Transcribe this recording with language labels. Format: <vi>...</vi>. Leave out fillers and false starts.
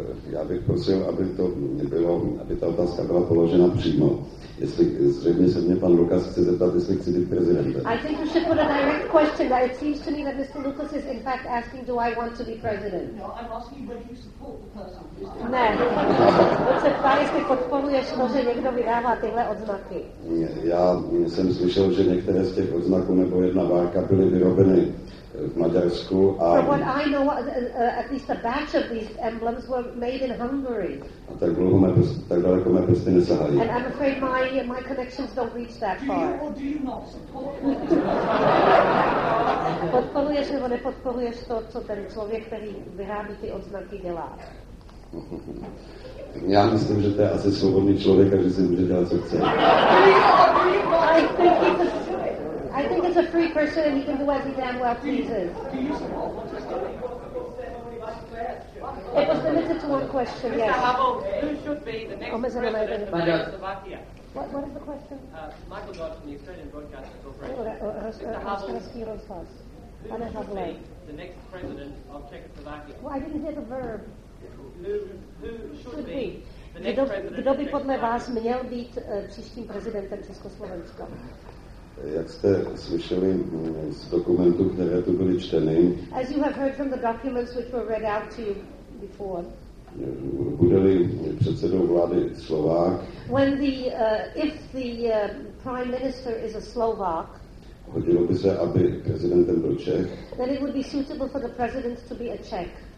<cs>Já bych prosil, aby to bylo, aby ta otázka byla položena přímo. Jestli zřejmě se mě pan Lukas chce zeptat, jestli chci být prezidentem.</cs> <en>I think you should put a direct question. It seems to me that Mr. Lukas is in fact asking, do I want to be president? No, I'm asking whether you support the person.</en> <cs>Ne. Se ptá, jestli podporuješ to, že někdo vydává tyhle odznaky. Já jsem slyšel, že některé z těch odznaků nebo jedna várka byly vyrobeny v Maďarsku a</cs> <en>from what I know, at least a batch of these emblems were made in Hungary.</en> <cs>A tak dlouho mé prsty, tak daleko mé prsty nesahají.</cs> <en>And I'm afraid my connections don't reach that far. Do you or do you not support?</en> <cs>podporuješ nebo nepodporuješ to, co ten člověk, který vyrábí ty odznaky, dělá? Já myslím, že to je asi svobodný člověk a že si může dělat, co chce.</cs> <en>I think it's a free person and he can do as he damn well pleases. It was limited to one question, yes. Mr. Havel, who should be the next president of Czechoslovakia? What is the question? Michael Dodd from the Australian Broadcasting Corporation. Mr. Havel, who should be the next president of Czechoslovakia? Well, I didn't hear the verb. Who should be?</en> <cs>Kdo by podle vás měl být příštím prezidentem Československa? Jak jste slyšeli z dokumentů, které tu byly čteny,</cs> <en>as you have heard from the documents which were read out to you before,</en> <cs>bude-li předsedou vlády Slovák,</cs> <en>if the prime minister is a Slovak,</en> <cs>hodilo by se, aby prezidentem byl Čech,</cs> <en>then it would be suitable for the president to be a Czech.</en>